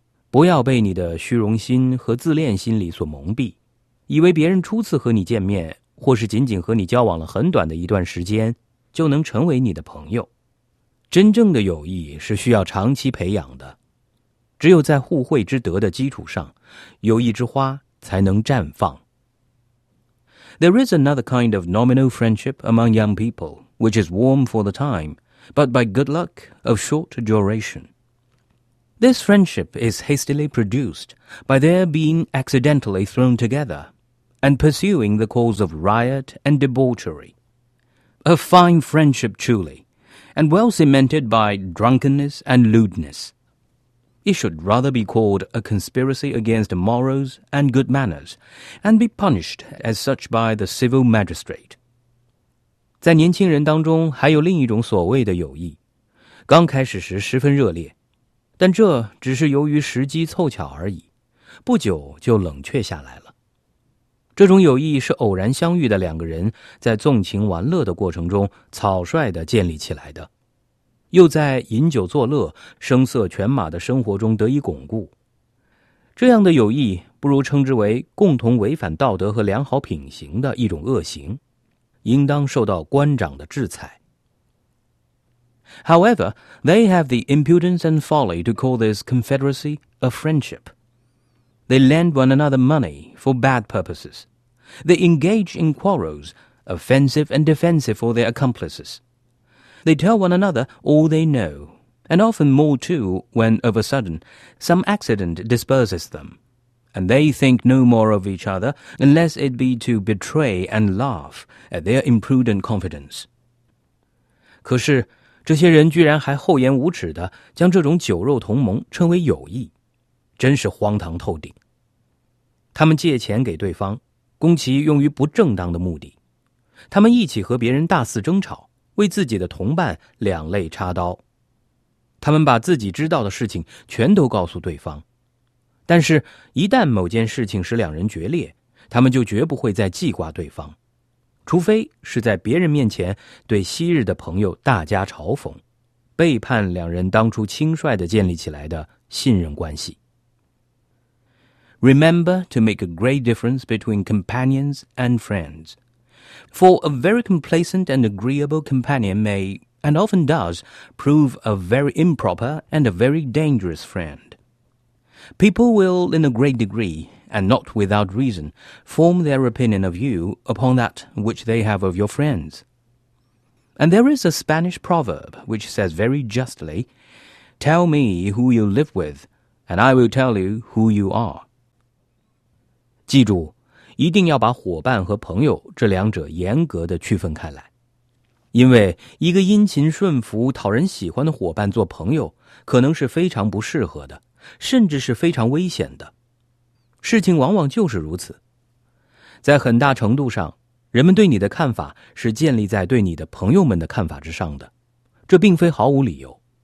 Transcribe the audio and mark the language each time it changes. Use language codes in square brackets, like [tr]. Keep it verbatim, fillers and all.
[zh] 不要被你的虚荣心和自恋心理所蒙蔽，以为别人初次和你见面，或是仅仅和你交往了很短的一段时间，就能成为你的朋友。真正的友谊是需要长期培养的，只有在互惠之德的基础上，友谊之花才能绽放。 [en] There is another kind of nominal friendship among young people, which is warm for the time, but by good luck of short duration. This friendship is hastily produced by their being accidentally thrown together, and pursuing the cause of riot and debauchery. A fine friendship truly, and well cemented by drunkenness and lewdness. It should rather be called a conspiracy against morals and good manners, and be punished as such by the civil magistrate. [zh] 在年轻人当中，还有另一种所谓的友谊，刚开始时十分热烈，但这只是由于时机凑巧而已，不久就冷却下来了。这种友谊是偶然相遇的两个人在纵情玩乐的过程中草率地建立起来的，又在饮酒作乐、声色犬马的生活中得以巩固。这样的友谊不如称之为共同违反道德和良好品行的一种恶行，应当受到官长的制裁。 [en] However, they have the impudence and folly to call this confederacy a friendship. They lend one another money for bad purposes. They engage in quarrels, offensive and defensive for their accomplices. They tell one another all they know, and often more too when, of a sudden, some accident disperses them, and they think no more of each other unless it be to betray and laugh at their imprudent confidence. [zh] 可是这些人居然还厚颜无耻地将这种酒肉同盟称为友谊，真是荒唐透顶。他们借钱给对方，供其用于不正当的目的。他们一起和别人大肆争吵，为自己的同伴两肋插刀。他们把自己知道的事情全都告诉对方，但是一旦某件事情使两人决裂，他们就绝不会再记挂对方。除非是在别人面前对昔日的朋友大加嘲讽，背叛两人当初轻率地建立起来的信任关系。 [en] Remember to make a great difference between companions and friends. For a very complacent and agreeable companion may, and often does, prove a very improper and a very dangerous friend. People will, in a great degree,and not without reason, form their opinion of you upon that which they have of your friends. And there is a Spanish proverb which says very justly, "Tell me who you live with, and I will tell you who you are." [zh] 记住，一定要把伙伴和朋友这两者严格地区分开来，因为一个殷勤顺服、讨人喜欢的伙伴做朋友，可能是非常不适合的，甚至是非常危险的。事情往往就是如此，在很大程度上，人们对你的看法是建立在对你的朋友们的看法之上的，这并非毫无理由。